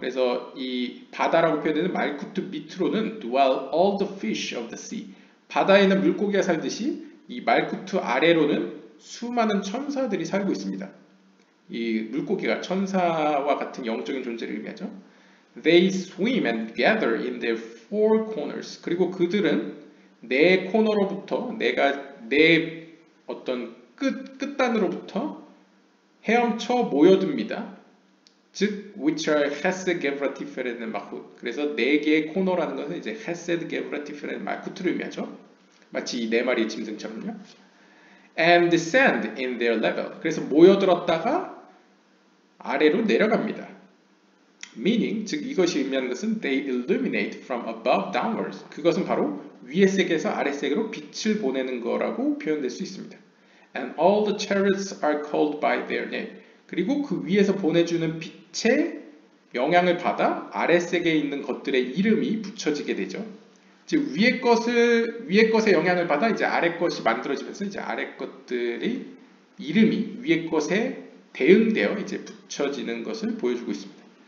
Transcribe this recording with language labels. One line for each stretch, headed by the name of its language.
Korean: 그래서 이 바다라고 표현되는 말쿠트 밑으로는
English: dwell all the fish of the sea.
Korean: 바다에는 물고기가 살듯이 이 말쿠트 아래로는 수많은 천사들이 살고 있습니다. 이 물고기가 천사와 같은 영적인 존재를 의미하죠.
English: They swim and gather in their four corners.
Korean: 그리고 그들은 네 코너로부터 내가 네 어떤 끝단으로부터 헤엄쳐 모여듭니다. 즉
English: which are
Korean: hesed, gevura, tiferet, malchut. 그래서 네 개의 코너라는 것은 이제 hesed, gevura, tiferet, malchut를 의미하죠. 마치 이 네 마리의 짐승처럼요.
English: And descend in their level.
Korean: 그래서 모여들었다가 아래로 내려갑니다.
English: Meaning,
Korean: 즉 이것이 의미하는 것은
English: they illuminate from above downwards.
Korean: 그것은 바로 위의 세계에서 아래 세계로 빛을 보내는 거라고 표현될 수 있습니다.
English: And all the chariots are called by their name.
Korean: 그리고 그 위에서 보내주는 빛의 영향을 받아 아래 세계에 있는 것들의 이름이 붙여지게 되죠. 즉 위의 것을 위의 것의 영향을 받아 이제 아래 것이 만들어지면서 이제 아래 것들의 이름이 위의 것에 대응되어 이제 붙여지는 것을 보여주고 있습니다.